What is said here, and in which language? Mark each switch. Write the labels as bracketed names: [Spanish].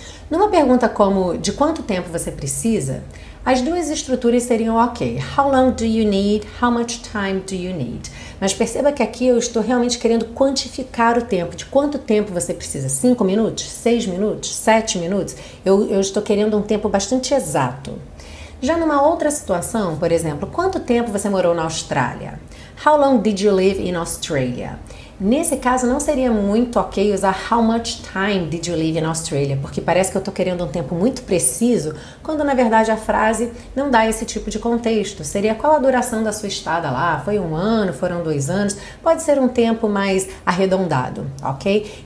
[Portuguese] Numa pergunta como de quanto tempo você precisa, as duas estruturas seriam ok. [English] How long do you need? [Portuguese] How much time do you need? Mas perceba que aqui eu estou realmente querendo quantificar o tempo. De quanto tempo você precisa? 5 minutos? 6 minutos? 7 minutos? Eu estou querendo um tempo bastante exato. Já numa outra situação, por exemplo, quanto tempo você morou na Austrália? [English] How long did you live in Australia? [Portuguese] Nesse caso, não seria muito ok usar [English] how much time did you live in Australia, [Portuguese] porque parece que eu estou querendo um tempo muito preciso, quando na verdade a frase não dá esse tipo de contexto. Seria qual a duração da sua estada lá? Foi 1 ano? Foram 2 anos? Pode ser um tempo mais arredondado, ok?